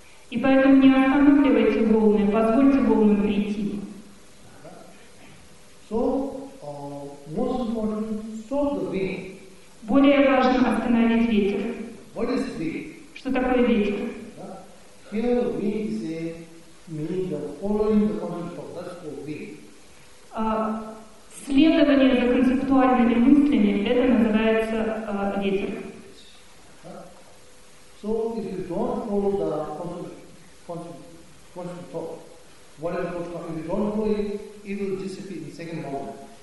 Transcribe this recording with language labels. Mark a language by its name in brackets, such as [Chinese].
[Russian] И поэтому не останавливайте волны, позвольте волнам прийти. [English] So, most important, stop the wind. [Russian] Более важно остановить ветер. [English] What is wind? [Russian] Что такое ветер? Yeah. [English] Here wind is a meaning of following the concept of, that's called wind. [Russian] Следование за концептуальными мыслями, это называется ветер. Yeah. [English] So, if you don't follow the concept of, whatever comes, if you don't follow it, it will disappear in the second moment.